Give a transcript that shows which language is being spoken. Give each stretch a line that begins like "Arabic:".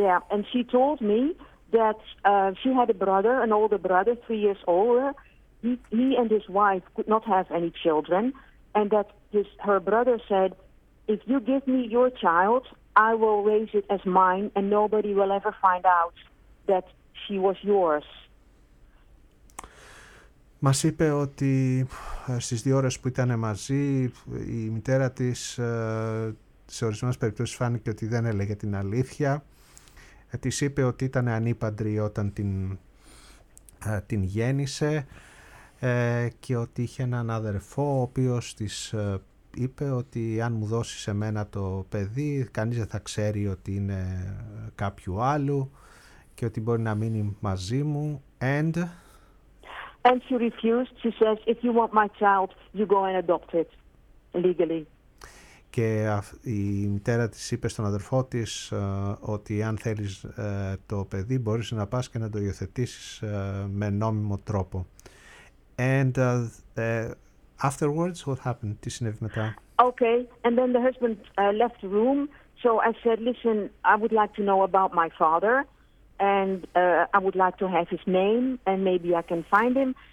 English: And she told me that she had a brother, an older brother, 3 years older. He and his wife could not have any children, and that her brother said, if you give me your child, I will raise it as mine, and nobody will ever find out that she was yours.
Greek: Μας είπε ότι στις 2 ώρες που ήταν μαζί, η μητέρα της σε ορισμένες περιπτώσεις φάνηκε ότι δεν έλεγε την αλήθεια. Της είπε ότι ήταν ανήπαντρη όταν την γέννησε, και ότι είχε έναν αδερφό ο οποίος της είπε ότι αν μου δώσεις εμένα το παιδί κανείς δεν θα ξέρει ότι είναι κάποιου άλλου και ότι μπορεί να μείνει μαζί μου.
English: And she refused. She says, if you want my child, you go and adopt it legally.
Greek: Και η μητέρα της είπε στον αδερφό της ότι αν θέλεις το παιδί μπορείς να πας και να το υιοθετήσεις με νόμιμο τρόπο.
English: And afterwards, what happened?
Greek: Τι συνέβη μετά?
English: Okay, and then the husband left the room. So I said, listen, I would like to know about my father. And I would like to have his name. And maybe I can find him.